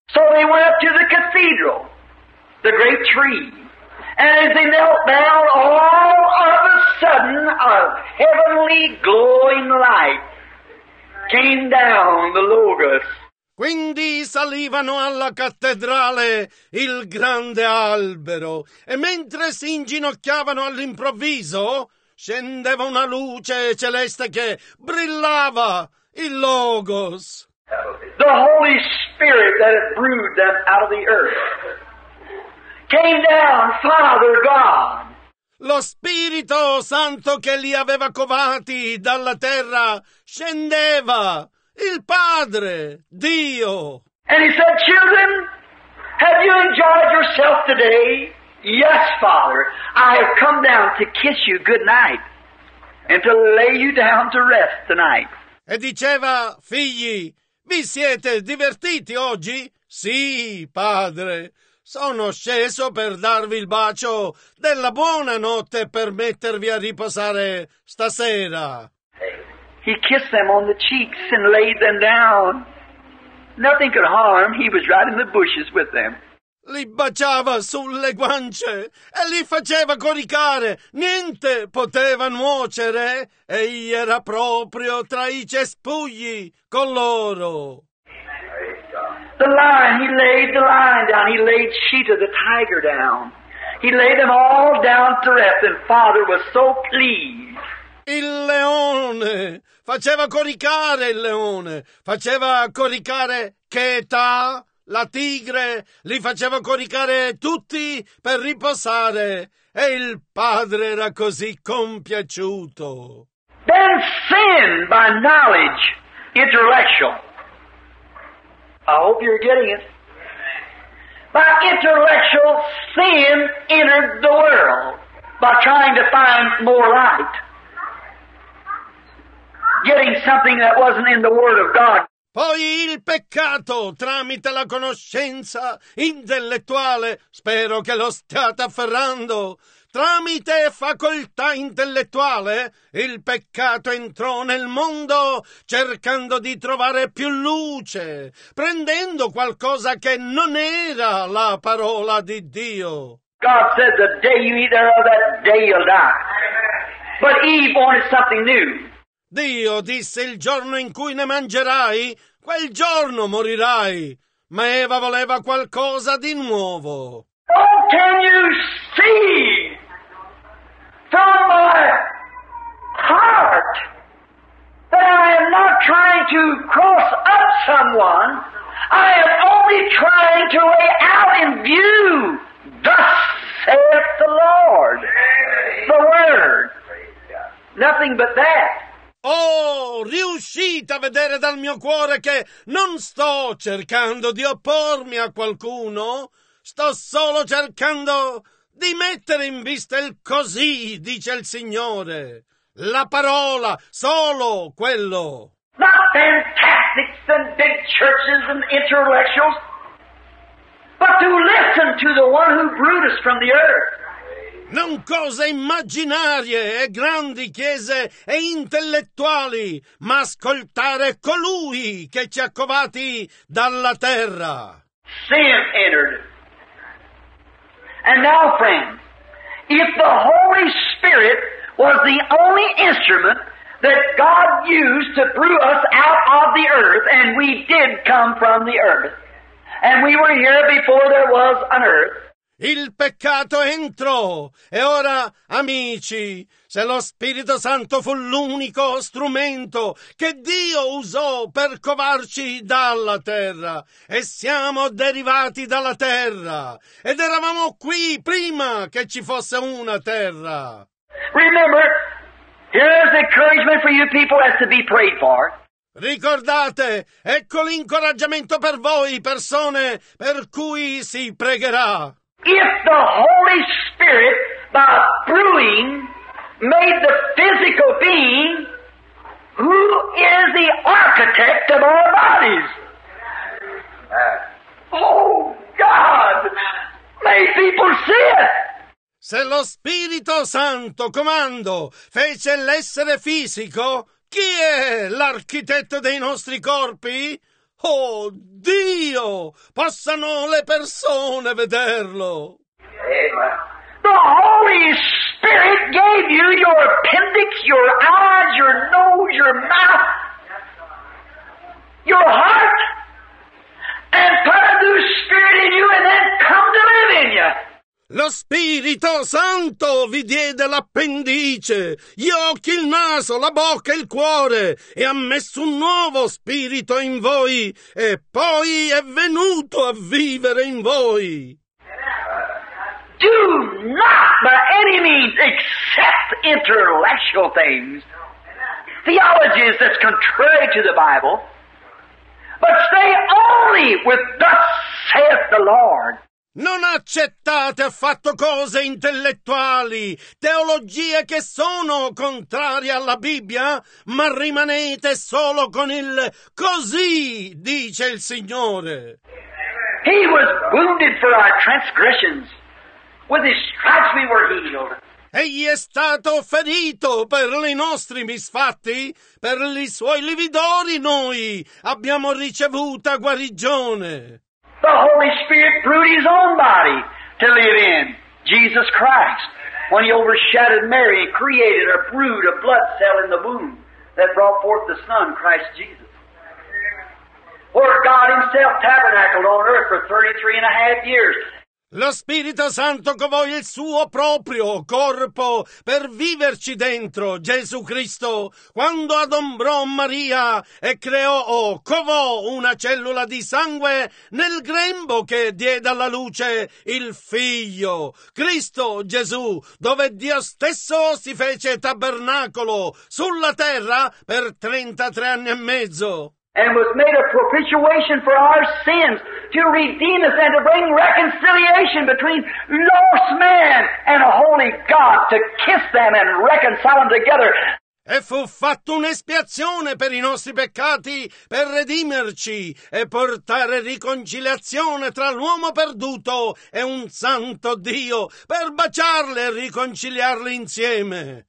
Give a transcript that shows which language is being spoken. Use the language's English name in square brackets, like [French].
[English] So they went up to the cathedral, the great tree, And as he knelt down, all of a sudden, a heavenly glowing light came down the Logos. [Italian] Quindi salivano alla cattedrale il grande albero, e mentre si inginocchiavano all'improvviso, scendeva una luce celeste che brillava il Logos. [English] The Holy Spirit that had brewed them out of the earth came down, Father God. [Italian] Lo Spirito Santo che li aveva covati dalla terra scendeva, il Padre, Dio. [English] And he said, children, have you enjoyed yourself today? Yes, Father, I have come down to kiss you good night and to lay you down to rest tonight. [Italian] E diceva, figli, vi siete divertiti oggi? Sì, Padre. Sono sceso per darvi il bacio della buona notte e per mettervi a riposare stasera. [English] He kissed them on the cheeks and laid them down. Nothing could harm. He was right in the bushes with them. [Italian] Li baciava sulle guance e li faceva coricare. Niente poteva nuocere. Egli era proprio tra I cespugli con loro. [English] The lion, he laid the lion down. He laid Sheeta, the tiger, down. He laid them all down to rest, and Father was so pleased. [Italian] Il leone faceva coricare il leone, faceva coricare Cheta, la tigre, li faceva coricare tutti per riposare, e il padre era così compiaciuto. [English] Then sin by knowledge, intellectual. I hope you're getting it. By intellectual sin entered the world by trying to find more light. Getting something that wasn't in the Word of God. [Italian] Poi il peccato, tramite la conoscenza intellettuale, spero che lo stiate afferrando, tramite facoltà intellettuale, il peccato entrò nel mondo cercando di trovare più luce, prendendo qualcosa che non era la parola di Dio. [English] God said, the day you eat thereof, that day you'll die. But Eve wanted something new. [Italian] Dio disse, il giorno in cui ne mangerai, quel giorno morirai. Ma Eva voleva qualcosa di nuovo. [English] Oh, can you see from my heart that I am not trying to cross up someone? I am only trying to lay out in view, thus saith the Lord, the Word. Nothing but that. [Italian] Oh, riuscite a vedere dal mio cuore che non sto cercando di oppormi a qualcuno, sto solo cercando di mettere in vista il così, dice il Signore, la parola, solo quello. [English] Not fantastics and big churches and intellectuals, but to listen to the one who brewed us from the earth. [Italian] Non cose immaginarie e grandi chiese e intellettuali, ma ascoltare colui che ci ha covati dalla terra. [English] Sin entered. And now, friend, if the Holy Spirit was the only instrument that God used to brew us out of the earth, and we did come from the earth, and we were here before there was an earth, [Italian] il peccato entrò, e ora, amici, se lo Spirito Santo fu l'unico strumento che Dio usò per covarci dalla terra, e siamo derivati dalla terra, ed eravamo qui prima che ci fosse una terra. [English] Remember, here's the encouragement for you people as to be prayed for. [Italian] Ricordate, ecco l'incoraggiamento per voi, persone per cui si pregherà. [English] If the Holy Spirit, by brewing, made the physical being, who is the architect of our bodies? Oh, God! May people see it! [Italian] Se lo Spirito Santo, comando, fece l'essere fisico, chi è l'architetto dei nostri corpi? Oh, Dio! Possano le persone vederlo! [English] The Holy Spirit gave you your appendix, your eyes, your nose, your mouth, your heart, and put a new spirit in you and then come to live in you. [Italian] Lo Spirito Santo vi diede l'appendice, gli occhi, il naso, la bocca e il cuore, e ha messo un nuovo spirito in voi, e poi è venuto a vivere in voi. [English] Do not by any means accept intellectual things, theologies that's contrary to the Bible, but stay only with thus saith the Lord. [Italian] Non accettate affatto cose intellettuali, teologie che sono contrarie alla Bibbia, ma rimanete solo con il così, dice il Signore. [English] He was wounded for our transgressions. With his stripes we were healed. [Italian] Egli è stato ferito per i nostri misfatti, per i suoi lividori noi abbiamo ricevuta guarigione. [English] The Holy Spirit proved his own body to live in, Jesus Christ, when he overshadowed Mary and created or proved a blood cell in the womb that brought forth the Son, Christ Jesus. Where God himself tabernacled on earth for 33 and a half years. [Italian] Lo Spirito Santo covò il suo proprio corpo per viverci dentro, Gesù Cristo, quando adombrò Maria e creò o covò una cellula di sangue nel grembo che diede alla luce il Figlio, Cristo Gesù, dove Dio stesso si fece tabernacolo sulla terra per 33 anni e mezzo. [English] And was made a propitiation for our sins to redeem us and to bring reconciliation between lost man and a holy God, to kiss them and reconcile them together. [Italian] E fu fatto un'espiazione per i nostri peccati per redimerci e portare riconciliazione tra l'uomo perduto e un santo Dio, per baciarli e riconciliarli insieme.